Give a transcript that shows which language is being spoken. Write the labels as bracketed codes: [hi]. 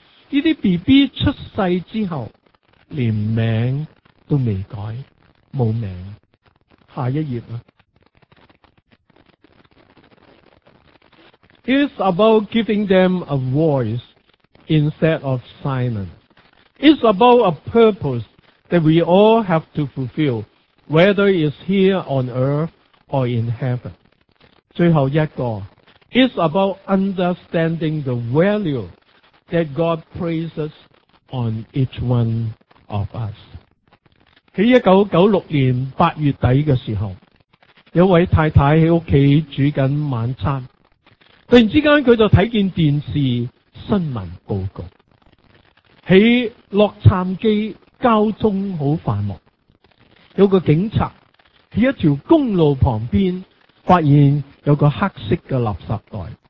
[yue] 呢啲 BB 出世之後連名都未改，冇名。下一頁啦。 [en] It's about giving them a voice instead of silence. It's about a purpose that we all have to fulfill, whether it's here on earth or in heaven. [yue] 最後一個， [en] It's about understanding the value that God places on each one of us. [yue] 在1996年8月底的時候，有位太太在家煮緊晚餐，突然之間佢就睇見電視新聞報告，喺洛杉磯交通好繁忙，有個警察喺一條公路旁邊發現有個黑色嘅垃圾袋。